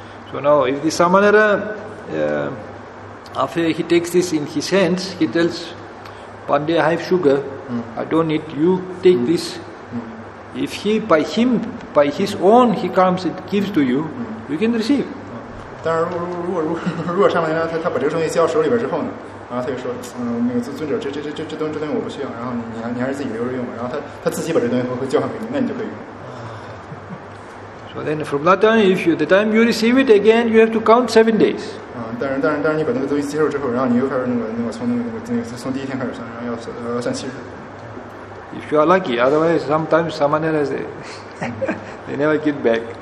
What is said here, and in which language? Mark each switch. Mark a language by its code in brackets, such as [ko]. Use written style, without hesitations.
[en] So now, if the samanera, after he takes this in his hands, he tells, Pandya, I have sugar, I don't need you, take this. If he, by him, by his own, he comes and gives to you, you can receive. [zh] 但是如果上半年他把这个东西交到手里边之后呢，然后他就说，那个尊者，这东西我不需要，然后你还是自己留着用吧。然后他自己把这东西会交还给你，那你就可以用。 [en] So then from that time, if you the time you receive it again, you have to count 7 days. [zh] 但是当你把那个东西接受之后，然后你又开始从第一天开始算，然后要算七日。 [en] If you are lucky, otherwise sometimes someone else they never get back.